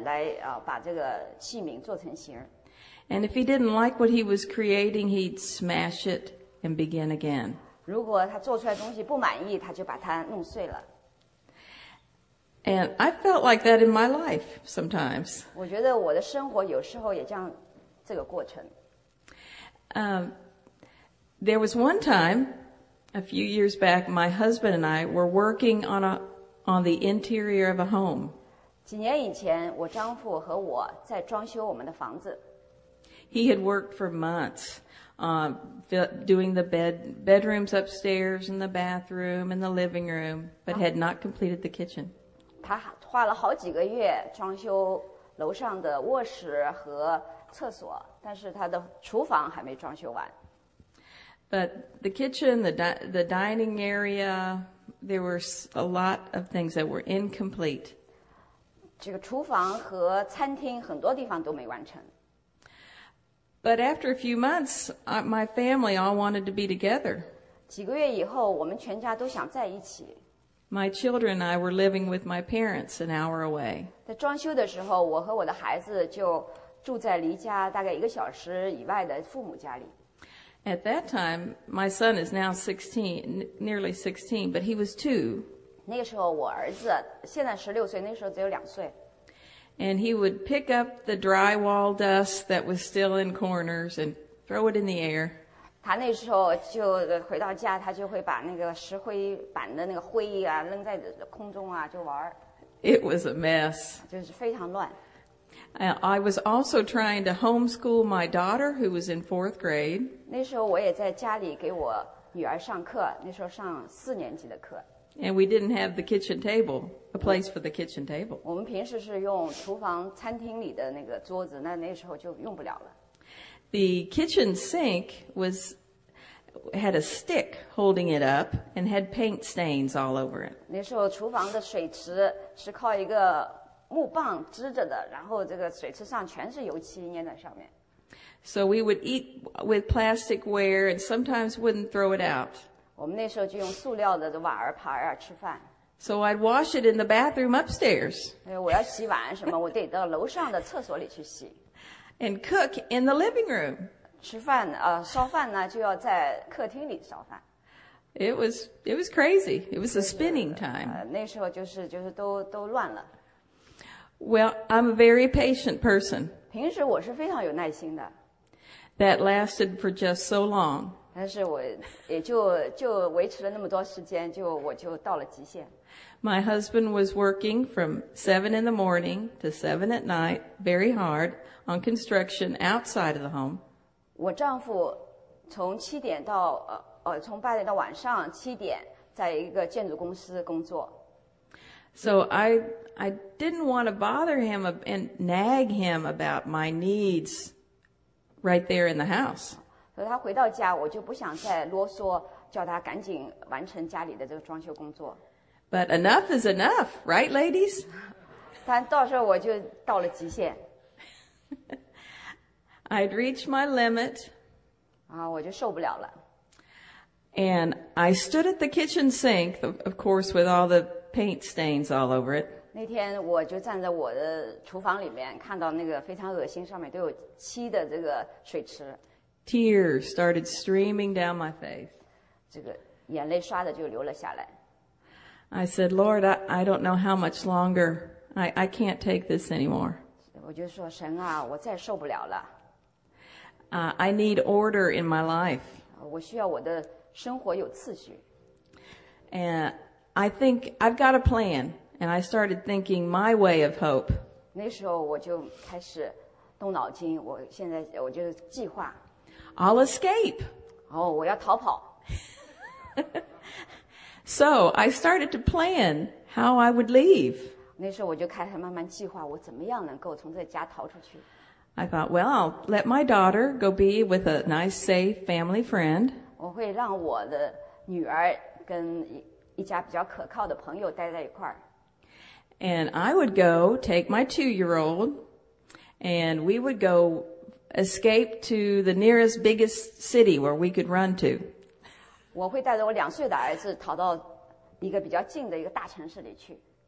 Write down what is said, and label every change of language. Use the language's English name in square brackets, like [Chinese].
[Chinese] 用很多的水，这样再来把这个器皿做成型。 [English] And if he didn't like what he was creating, he'd smash it and begin again. [Chinese] 如果他做出来东西不满意，他就把它弄碎了。 [English] And I felt like that in my life sometimes. [Chinese] 我觉得我的生活有时候也这样，这个过程。 [English] There was one time, a few years back, my husband and I were working on the interior of a home. [Chinese] 几年以前，我丈夫和我在装修我们的房子。 [English] He had worked for months, doing the bedrooms upstairs and the bathroom and the living room, but had not completed the kitchen. [Chinese] 他花了好几个月装修楼上的卧室和厕所，但是他的厨房还没装修完。 [English] But the kitchen, the dining area, there were a lot of things that were incomplete. [Chinese] 这个厨房和餐厅很多地方都没完成。 [English] But after a few months, my family all wanted to be together. [Chinese] 几个月以后，我们全家都想在一起。 [English] My children and I were living with my parents an hour away. [Chinese] 在装修的时候，我和我的孩子就住在离家大概一个小时以外的父母家里。 [English] At that time, my son is now 16, nearly 16, but he was 2. [Chinese] 那个时候我儿子现在16岁，那时候只有两岁。 [English] And he would pick up the drywall dust that was still in corners and throw it in the air. [Chinese] 他那时候就回到家，他就会把那个石灰板的那个灰啊扔在空中啊，就玩。 [English] It was a mess. [Chinese] 就是非常乱。 [English] I was also trying to homeschool my daughter, who was in fourth grade. [Chinese] 那时候我也在家里给我女儿上课，那时候上四年级的课。 [English] And we didn't have the kitchen table, a place for the kitchen table. [Chinese] 我们平时是用厨房餐厅里的那个桌子，那时候就用不了了。 [English] The kitchen sink had a stick holding it up and had paint stains all over it. [Chinese] 那时候厨房的水池是靠一个木棒支着的，然后这个水池上全是油漆粘在上面。 [English] So we would eat with plastic ware and sometimes wouldn't throw it out. [Chinese] 我们那时候就用塑料的碗儿盘儿吃饭。 [English] So I'd wash it in the bathroom upstairs. [Chinese] 我要洗碗什么，我得到楼上的厕所里去洗。 [English] And cook in the living room. [Chinese] 吃饭烧饭呢就要在客厅里烧饭。 [English] It was crazy. It was a spinning time. [Chinese] 那时候就是都乱了。 [English] Well, I'm a very patient person. [Chinese] 平时我是非常有耐心的。 [English] That lasted for just so long. [Chinese] 但是我也就维持了那么多时间，我就到了极限。 [English] My husband was working from 7 in the morning to 7 at night, very hard, on construction outside of the home. [Chinese] 我丈夫从七点到从八点到晚上七点，在一个建筑公司工作。 [English] So I didn't want to bother him and nag him about my needs right there in the house. So [Chinese] 他回到家，我就不想再啰嗦，叫他赶紧完成家里的这个装修工作。 [English] But enough is enough, right, ladies? [Chinese] 但到时候我就到了极限。 [English] I'd reached my limit. [Chinese] 我就受不了了。 [English] And I stood at the kitchen sink, of course, with all the paint stains all over it. [Chinese] 那天我就站在我的厨房里面，看到那个非常恶心，上面都有漆的这个水池。 [English] Tears started streaming down my face. [Chinese] 这个眼泪刷的就流了下来。 [English] I said, Lord, I don't know how much longer. I can't take this anymore. [Chinese] 我就说神啊，我再受不了了。 [English] I need order in my life. [Chinese] 我需要我的生活有秩序。 [English] And I think I've got a plan, and I started thinking my way of hope. [Chinese] 那时候我就开始动脑筋，我现在我就计划。 [English] I'll escape. [Chinese] 我要逃跑。 [English] So I started to plan how I would leave. [Chinese] 那时候我就开始慢慢计划，我怎么样能够从这家逃出去。 [English] I thought, well, I'll let my daughter go be with a nice, safe family friend. [Chinese] 我会让我的女儿跟一家比较可靠的朋友待在一块儿。 [English] And I would go take my 2-year-old, and we would go escape to the nearest biggest city where we could run to. [Chinese] 我会带着我两岁的儿子逃到一个比较近的一个大城市里去。